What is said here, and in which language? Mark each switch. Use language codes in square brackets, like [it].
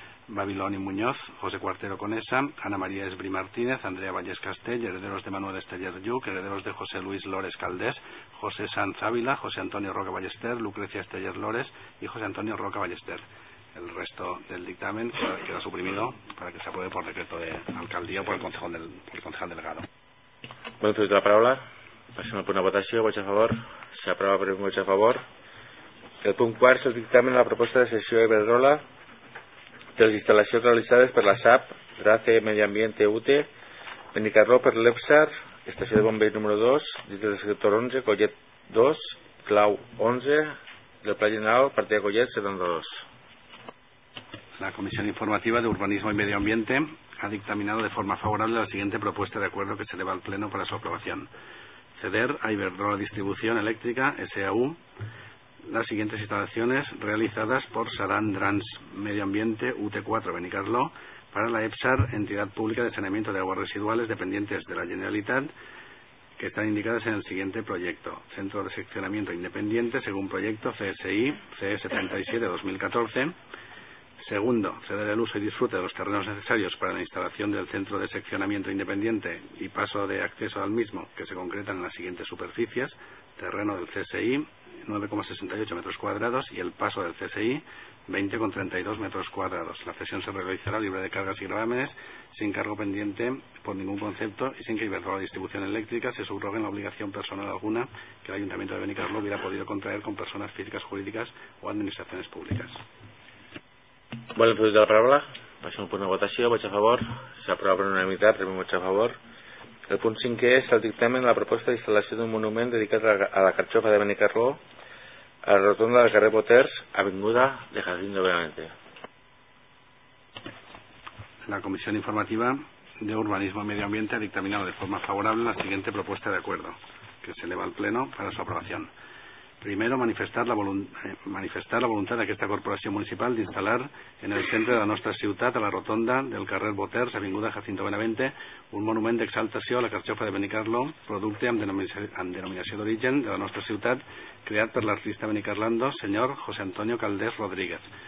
[es] Babiloni Muñoz, José Cuartero Conesa, Ana María Esbri Martínez, Andrea Valles Castell, herederos de Manuel Esteller Lluc, herederos de José Luis Lores Caldés, José Sanz Ávila, José Antonio Roca Ballester, Lucrecia Esteller Lores y José Antonio Roca Ballester. El resto del dictamen queda suprimido para que se apruebe por decreto de alcaldía o por el concejal delegado. Bueno, pues la palabra. Pasemos por una votación. Voto a favor. Se aprueba por un voto a favor. [ca] El punt quart és el dictamen de la proposta de cessió a Iberdrola de les instal·lacions realitzades per la SAP, Race Medi Ambient UTE, Benicarló per l'EPSAR, estació de bombeig número 2, dins del sector 11, Collet 2, Clau 11, del Pla General, partida Collet 72. La Comissió Informativa d'Urbanisme i Medi Ambient ha dictaminat de forma favorable la següent proposta d'acord que s'eleva al Pleno per a la seva aprovació. [es] Ceder a Iberdrola Distribució Elèctrica, SAU, las siguientes instalaciones realizadas por Sadan Trans Medio Ambiente UT4 Benicarló para la EPSAR, entidad pública de saneamiento de aguas residuales dependientes de la Generalitat, que están indicadas en el siguiente proyecto: centro de seccionamiento independiente según proyecto CSI CE77-2014. Segundo, ceder el uso y disfrute de los terrenos necesarios para la instalación del centro de seccionamiento independiente y paso de acceso al mismo, que se concretan en las siguientes superficies: terreno del CSI 9,68 metros cuadrados y el paso del CSI 20,32 metros cuadrados. La cesión se realizará libre de cargas y gravámenes, sin cargo pendiente por ningún concepto y sin que Iberdrola Distribución Eléctrica se subrogue en la obligación personal alguna que el Ayuntamiento de Benicarló hubiera podido contraer con personas físicas, jurídicas o administraciones públicas. Bueno, pues de la palabra, pasemos por una votación. Voto a favor. Se aprueba por unanimidad, también voto a favor. [ca] El punt 5è és el dictamen de la proposta d'instal·lació d'un monument dedicat a la carxofa de Benicarló a la rotonda del carrer Boters, avinguda de Jacinto Benavente. La Comissió Informativa d'Urbanisme i Medi Ambient ha dictaminat de forma favorable la següent proposta d'acord. [es] que se eleva al Pleno para su aprobación. Primero, manifestar la voluntad de [ca] aquesta corporació municipal d'instal·lar en el centre de la nostra ciutat, a la rotonda del carrer Boters, avinguda Jacinto Benavente, un monument d'exaltació a la carxofa de Benicarló, producte amb denominació d'origen de la nostra ciutat, creat per l'artista benicarlando senyor José Antonio Caldés Rodríguez.